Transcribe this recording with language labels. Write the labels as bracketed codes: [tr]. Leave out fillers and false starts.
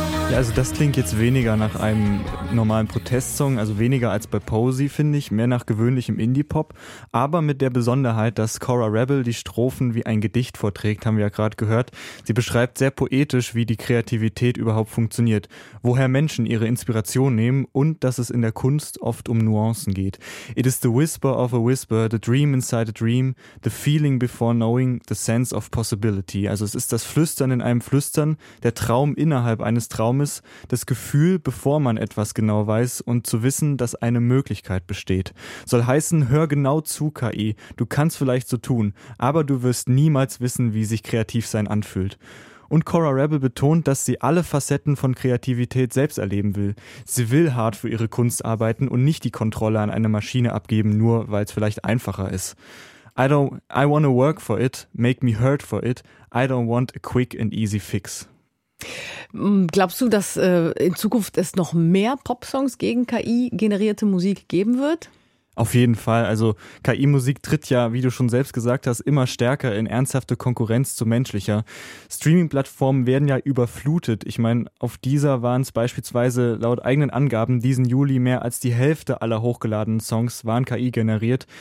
[de] Ja, also das klingt jetzt weniger nach einem normalen Protestsong, also weniger als bei Posey, finde ich, mehr nach gewöhnlichem Indie-Pop, aber mit der Besonderheit, dass Cora Rebel die Strophen wie ein Gedicht vorträgt, haben wir ja gerade gehört. Sie beschreibt sehr poetisch, wie die Kreativität überhaupt funktioniert, woher Menschen ihre Inspiration nehmen und dass es in der Kunst oft um Nuancen geht. [en] It is the whisper of a whisper, the dream inside a dream, the feeling before knowing, the sense of possibility. [de] Also es ist das Flüstern in einem Flüstern, der Traum innerhalb eines Traums. Ist, das Gefühl, bevor man etwas genau weiß und zu wissen, dass eine Möglichkeit besteht. Soll heißen, hör genau zu, KI. Du kannst vielleicht so tun, aber du wirst niemals wissen, wie sich Kreativsein anfühlt. Und Cora Rebel betont, dass sie alle Facetten von Kreativität selbst erleben will. Sie will hart für ihre Kunst arbeiten und nicht die Kontrolle an eine Maschine abgeben, nur weil es vielleicht einfacher ist. [en] I wanna work for it, make me hurt for it. I don't want a quick and easy fix. [de] Glaubst du, dass in Zukunft es noch mehr Popsongs gegen KI-generierte Musik geben wird? Auf jeden Fall. Also KI-Musik tritt ja, wie du schon selbst gesagt hast, immer stärker in ernsthafte Konkurrenz zu menschlicher. Streaming-Plattformen werden ja überflutet. Ich meine, auf dieser waren es beispielsweise laut eigenen Angaben diesen Juli mehr als die Hälfte aller hochgeladenen Songs waren KI-generiert.